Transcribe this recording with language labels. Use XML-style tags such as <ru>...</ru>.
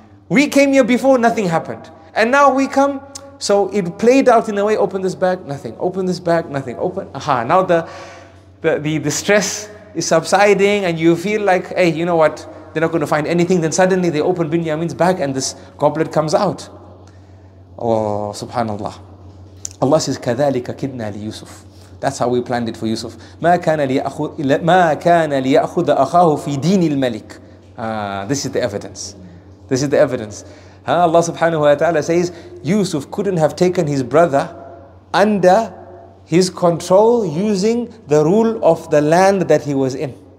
<en>We came here before, nothing happened. And now we come, so it played out in a way, open this bag, nothing. Open this bag, nothing. Open, aha. Now the stress is subsiding and you feel like, hey, you know what? They're not going to find anything. Then suddenly they open Binyamin's bag and this goblet comes out. Oh, subhanAllah. Allah says,</en> <ar>كَذَلِكَ كِدْنَا لِيُوسُفِ.</ar> <en>That's how we planned it for Yusuf.</en> <ar>مَا كَانَ لِيَأْخُذَ أَخَاهُ فِي دِينِ الْمَلِكِ.</ar> <en>This is the evidence. This is the evidence. Allah subhanahu wa ta'ala says, Yusuf couldn't have taken his brother under his control using the rule of the land that he was in.</en>